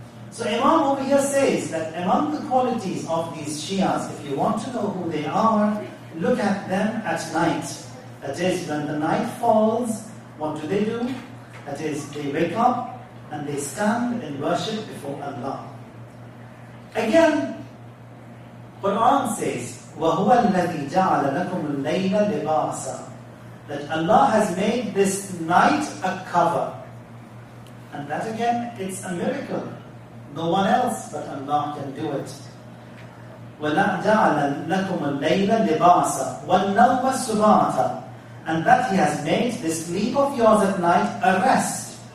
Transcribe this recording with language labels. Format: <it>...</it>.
<en>So Imam over here says that among the qualities of these Shias, if you want to know who they are, look at them at night. That is, when the night falls, what do? That is, they wake up and they stand in worship before Allah. Again, Quran says,</en> <ar>وَهُوَ الَّذِي جَعَلَ لَكُمُ اللَّيْلَ لِبَاسًا.</ar> <en>That Allah has made this night a cover. And that again, it's a miracle. No one else but Allah can do it.</en> <ar>وَجَعَلَ لَكُمُ اللَّيْلَ لِبَاسًا وَالنَّوْمَ سُبَاتًا.</ar> <en>And that he has made this sleep of yours at night a rest.</en>